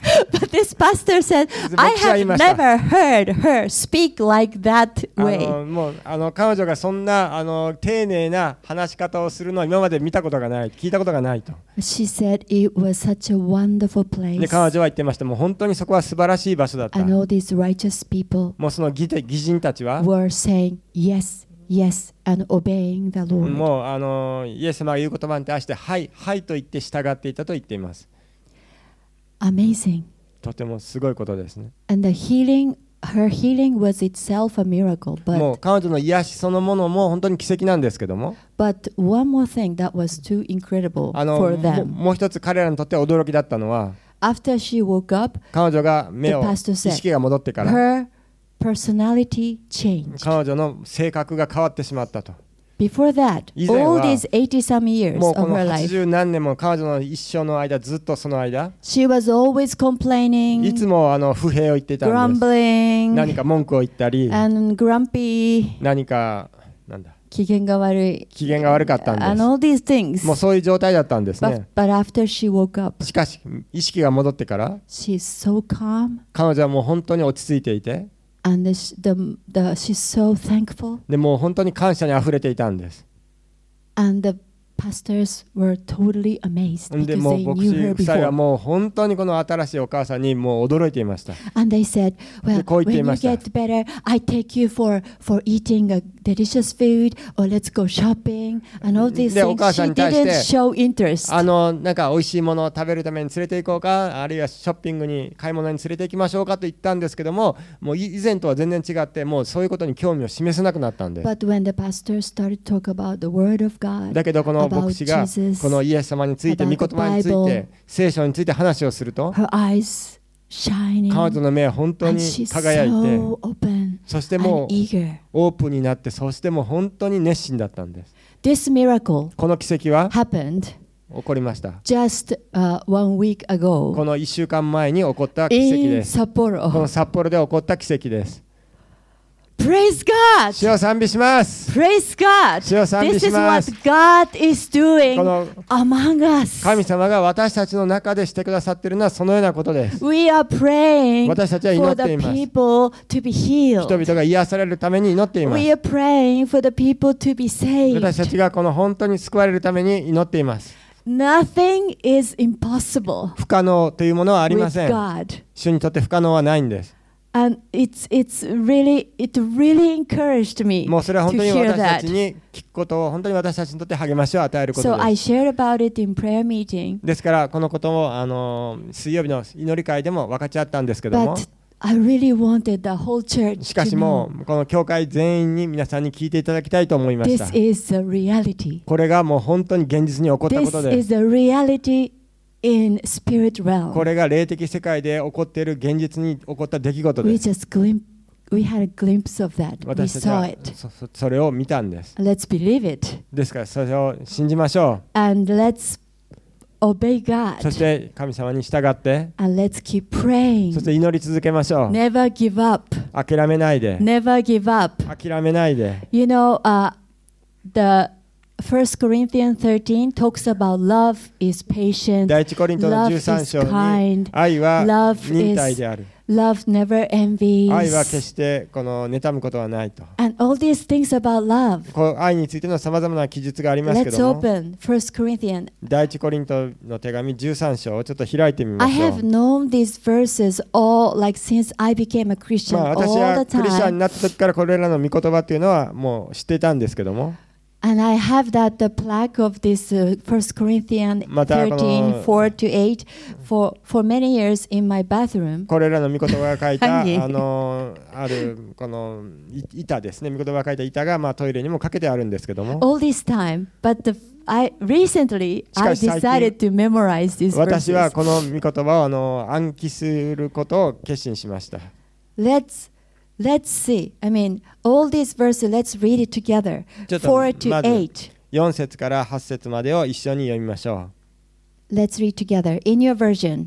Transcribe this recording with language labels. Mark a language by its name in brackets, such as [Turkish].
[English] But this pastor said, "I have never heard her speak like that way." [Japanese] もう彼女がそんな丁寧な話し方をするのは今まで見たことがない、聞いたことがないと。 [English] She said it was such a wonderful place. [Japanese] で彼女は言ってました。もう本当にそこは素晴らしい場所だった。 [English] And all these righteous people. [Japanese] もうその義人たちは。 [English] Were saying yes. Yes, and obeying the Lord. [Japanese] もうイエス様が言う言葉に対してはいはいと言って従っていたと言っています。 [English] Amazing. [Japanese] とてもすごいことですね。 [English] And the healing, her healing was itself a miracle, but [Japanese] もう彼女の癒しそのものも本当に奇跡なんですけども、 [English] But one more thing that was too incredible for them. [Japanese] もう一つ彼らにとって驚きだったのは、 [English] After she woke up, [Japanese] 彼女が目を意識が戻ってから、 [English] herPersonality changed. [Japanese] 彼女の性格が変わってしまったと。 [English] Before that, [Japanese] 以前は [English] all these 80 some years [Japanese] もうこの80何年も彼女の一生の間、ずっとその間、 [English] She was always complaining, [Japanese] いつも不平を言っていたんです。 [English] Grumbling, [Japanese] 何か文句を言ったり、 [English] and grumpy, [Japanese] 何かなんだ機嫌が悪い。機嫌が悪かったんです。 [English] And all these things. [Japanese] もうそういう状態だったんですね。 [English] But after she woke up, [Japanese] しかし、意識が戻ってから、 [English] She's so calm. [Japanese] 彼女はもう本当に落ち着いていて、 [English] And she's so thankful. [Japanese] でもう本当に感謝にあふれていたんです。 [English] And the pastors were totally amazed because [Japanese] でも牧師夫妻はもう本当にこの新しいお母さんにもう驚いていました。 [English] And they said, well, when you get better, I take you for eating a delicious food or let's go shopping and all these things. [Japanese] でお母さんに対して [English] She didn't show interest. [Japanese] なんか美味しいものを食べるために連れて行こうか、あるいはショッピングに買い物に連れて行きましょうかと言ったんですけども、もう以前とは全然違って、もうそういうことに興味を示せなくなったんです。 [English] But when the pastor started to talk about the word of God, [Japanese] だけどこの牧師がこのイエス様について御言葉について聖書について話をすると、彼女の目は本当に輝いて、そしてもうオープンになって、そしてもう本当に熱心だったんです。この奇跡は起こりました。この1週間前に起こった奇跡です。この札幌で起こった奇跡です。 [English] Praise God! [Japanese] 主を賛美します。 [English] Praise God! [Japanese] 主を賛美します。 [English] This is what God is doing among us. [Japanese] 神様が私たちの中でしてくださっているのはそのようなことです。 [English] We are praying for the people to be healed. [Japanese] 人々が癒されるために祈っています。 [English] We are praying for the people to be saved. [Japanese] 私たちがこの本当に救われるために祈っています。 [English] Nothing is impossible. [Japanese] 不可能というものはありません。 [English] With God. [Japanese] 主にとって不可能はないんです。 [English] And it's really, it really encouraged me [Japanese] もうそれは本当に私たちに聞くことを、本当に私たちにとって励ましを与えることです。 [English] So I shared about it in prayer meeting. [Japanese] ですからこのことを水曜日の祈り会でも分かち合ったんですけども。 [English] But I really wanted the whole church. [Japanese] しかしもうこの教会全員に皆さんに聞いていただきたいと思いました。 [English] This is the reality. [Japanese] これがもう本当に現実に起こったことです。 [English] This is the reality. In spirit realm. [Japanese] これが霊的世界で起こっている現実に起こった出来事です。 [English] We had a glimpse of that. We saw it. [Japanese] それを見たんです。 [English] Let's believe it. [Japanese] ですからそれを信じましょう。 [English] And let's obey God. [Japanese] そして神様に従って。 [English] And let's keep praying. [Japanese] そして祈り続けましょう。 [English] Never give up. [Japanese] 諦めないで。 [English] Never give up. [Japanese] 諦めないで。 [English] You know, the1 Corinthians 13 talks about love is patient. [Japanese] 第一コリントの十三章に愛は忍耐である。 [English] Love never envies. [Japanese] 愛は決してこの妬むことはないと。 [English] And all these things about love. [Japanese] 愛についてのさまざまな記述がありますけども。 [English] Let's open 1 Corinthians. [Japanese] 第一コリントの手紙十三章をちょっと開いてみましょう。 [English] I have known these verses all like since I became a Christian all the time. [Japanese] 私はクリスチャンになった時からこれらの御言葉というのはもう知っていたんですけども。 [English] And I have that the plaque of this 1 Corinthians 13:4-8 for many years in my bathroom. [Japanese] これらの御言葉が書いたあのあるこの板ですね。御言葉が書いた板がまあトイレにもかけてあるんですけども。 [English] All this time, but the, I recently I decided to memorize this verse. [Japanese] 私はこの御言葉をあの暗記することを決心しました。 [English] Let's see. I mean, all these verses. Let's read it together. 4-8. [Japanese] 四節から八節までを一緒に読みましょう。 [English] Let's read together in your version.